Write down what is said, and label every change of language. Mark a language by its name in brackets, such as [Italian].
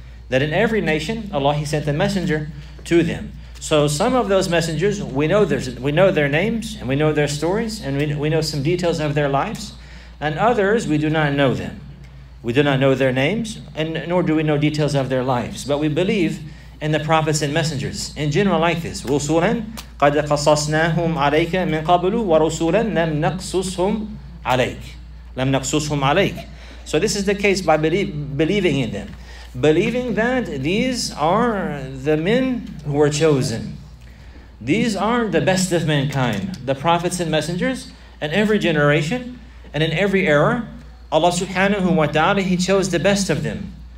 [English] that in every nation, Allah, He sent a messenger to them. So some of those messengers, we know their names, and we know their stories, and we know some details of their lives. And others, we do not know them. We do not know their names, and nor do we know details of their lives. But we believe in the prophets and messengers. In general, like this, [Arabic] رُسُولًا قَدْ قَصَصْنَاهُمْ عَلَيْكَ مِنْ قَبْلُ وَرُسُولًا لَمْ نَقْصُصْهُمْ عَلَيْكَ لَمْ نَقْصُصْهُمْ عَلَيْكَ. [English] So this is the case by believing in them. Believing that these are the men who were chosen. These are the best of mankind, the prophets and messengers. In every generation and in every era, Allah subhanahu wa ta'ala, He chose the best of them.